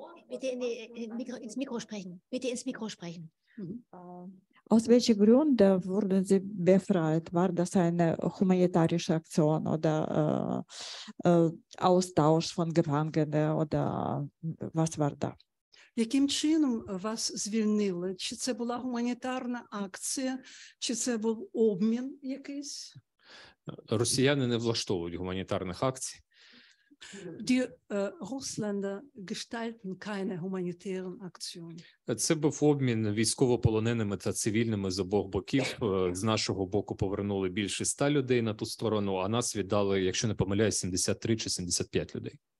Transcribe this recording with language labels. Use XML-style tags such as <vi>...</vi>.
<de>Bitte in die, ins Mikro sprechen. Bitte ins Mikro sprechen. Mhm. Aus welchen Gründen wurden Sie befreit? War das eine humanitarische Aktion oder Austausch von Gefangenen oder was war da?</de> <uk>Яким чином вас звільнили? Чи це була гуманітарна акція? Чи це був обмін якийсь? Росіяни не влаштовують гуманітарних акцій.</uk> <de>Die Russländer gestalten keine humanitären Aktionen.</de> <uk>Це був обмін військовополоненими та цивільними з обох боків. З нашого боку повернули більше 100 людей на ту сторону, а нас віддали, якщо не помиляюсь, 73 чи 75 людей.</uk>